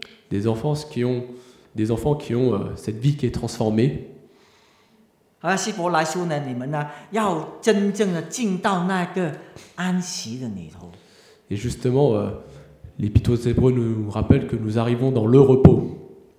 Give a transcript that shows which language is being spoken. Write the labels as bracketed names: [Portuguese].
[French] Des enfants qui ont cette vie qui est transformée. [Chinese] 希伯来书呢，你们呢要真正的进到那个安息的里头。 [French] Et justement, l'Épître aux Hébreux nous rappelle que nous arrivons dans le repos.